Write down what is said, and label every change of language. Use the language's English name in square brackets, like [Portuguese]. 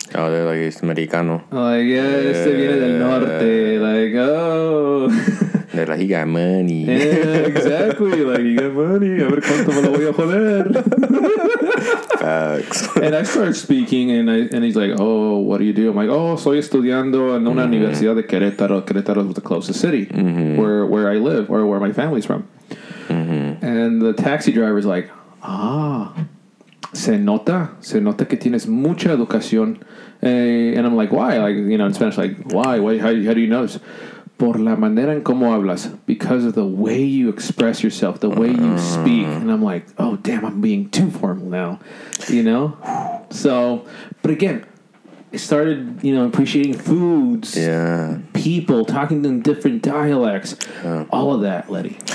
[English] Oh, they're like, it's Americano. Like, yeah, este yeah. [Spanish] viene del norte. [English] Like, oh. They're like, he got money. Yeah, exactly. Like, you got money. [Spanish] A ver cuánto me lo voy a joder. [English] Facts. And I started speaking, and he's like, oh, what do you do? I'm like, oh, [Spanish] soy estudiando en una universidad de Querétaro. [English] Querétaro is the closest city where I live or where my family's from. And the taxi driver's like, ah, [Spanish] se nota que tienes mucha educación. [English] And I'm like, why? Like, you know, in Spanish, like, why? Why? How do you know this? [Spanish] Por la manera en cómo hablas, [English] because of the way you express yourself, the way you speak. And I'm like, oh, damn, I'm being too formal now, you know? So, but again, I started, you know, appreciating foods, people, talking in different dialects, all of that, Letty.